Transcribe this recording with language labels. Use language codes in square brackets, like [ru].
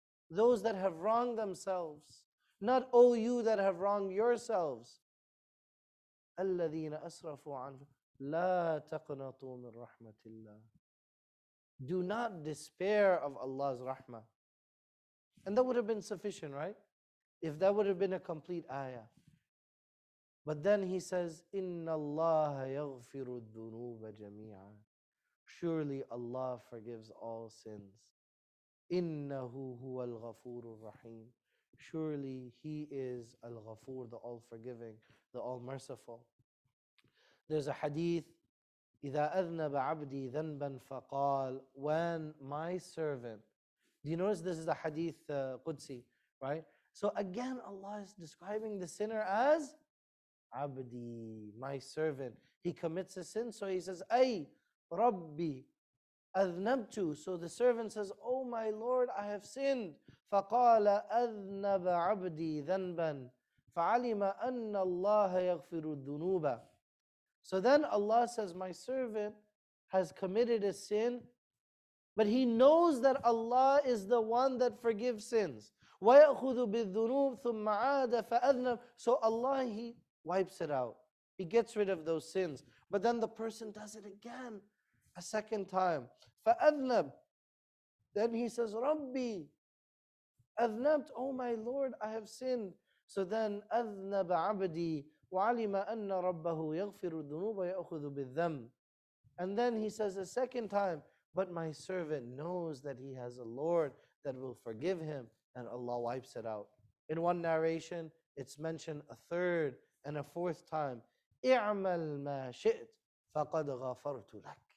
[en] Those that have wronged themselves, not all you that have wronged yourselves. [ar] الَّذِينَ أَسْرَفُوا عَنْ لَا تَقْنَطُوا مِنْ رَحْمَةِ اللَّهِ. [en] Do not despair of Allah's rahmah. And that would have been sufficient, right? If that would have been a complete ayah. But then He says, [ar] إِنَّ اللَّهَ يَغْفِرُ الذُّنُوبَ جَمِيعًا. [en] Surely Allah forgives all sins. [ar] إِنَّهُ هُوَ الْغَفُورُ الرَّحِيمُ. [en] Surely He is Al-Ghafoor, the All-Forgiving, the All-Merciful. There's a hadith, [ar] إِذَا أَذْنَبَ عَبْدِي ذَنْبًا فَقَالَ. [en] When my servant, do you notice this is a hadith Qudsi, right? So again, Allah is describing the sinner as عَبْدِي, my servant. He commits a sin, so He says, [ar] أَيْ رَبِّي, أذنبت. [en] So the servant says, oh my lord, I have sinned. [ar] فقال أذنب عبدي ذنبا فعلم أن الله يغفر الذنوب. [en] So then Allah says, my servant has committed a sin, but he knows that Allah is the one that forgives sins. [ar] وَيَأْخُذُ بِالذُّنُوبِ ثُمَّ عَادَ فَأَذْنَبْ. [en] So Allah, he wipes it out. He gets rid of those sins. But then the person does it again, a second time. [ar] فَأَذْنَبْ. [en] Then he says, [ar] رَبِّي أَذْنَبْتُ. [en] Oh my Lord, I have sinned. So then, [ar] أَذْنَبَ عَبْدِي وَعَلِمَ أَنَّ رَبَّهُ يَغْفِرُ الذُّنُوبَ يَأْخُذُ بِالذَّنْبِ. [en] And then he says a second time, but my servant knows that he has a Lord that will forgive him. And Allah wipes it out. In one narration, it's mentioned a third and a fourth time. [ar] اعمل ما شئت فقد غفرت لك.